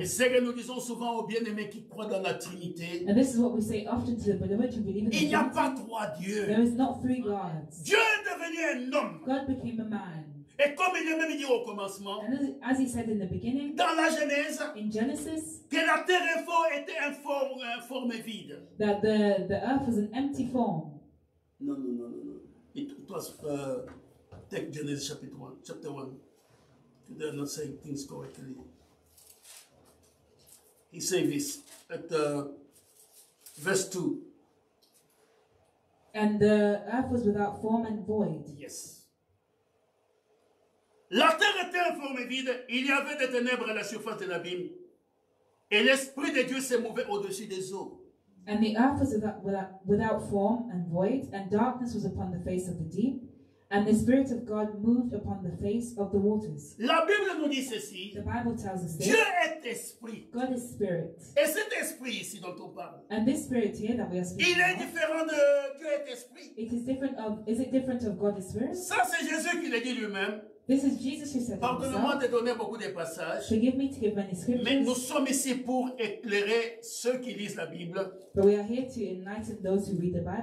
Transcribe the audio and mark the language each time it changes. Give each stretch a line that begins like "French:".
French: Et ce que nous disons souvent aux bien-aimés qui croient dans la Trinité.
English: And this is what we say often to the beloved who believe in the
French: Trinity. Il n'y a pas trois dieux.
English: There is not three gods.
French: Dieu est devenu un homme.
English: God became a man.
French: Et comme il a même dit au commencement.
English: And as he said in the beginning.
French: Dans la Genèse.
English: In Genesis.
French: Que la terre était informe vide.
English: That the earth was an empty form. No. It was take Genesis chapter 1. You are not saying things correctly. He said this at verse 2. And the earth was without form and void. Yes.
French: La terre était informe et vide, il y avait des ténèbres à la surface de l'abîme, et l'Esprit de Dieu se mouvait au-dessus des eaux.
English: And the earth was without form and void, and darkness was upon the face of the deep, and the Spirit of God moved upon the face of the waters.
French: La Bible nous dit ceci.
English: The Bible tells us this.
French: Dieu est esprit.
English: God is spirit.
French: Et cet esprit ici dont on parle.
English: And this spirit here that we are speaking
French: il est
English: of,
French: différent de Dieu est esprit.
English: It is different of, is it different of God is spirit?
French: Ça c'est Jésus qui l'a dit lui-même.
English: This is Jesus who said
French: pardonne-moi de donner beaucoup de passages.
English: Forgive me to give many scriptures.
French: Mais nous sommes ici pour éclairer ceux qui lisent la Bible.
English: But we are here to enlighten those who read the Bible.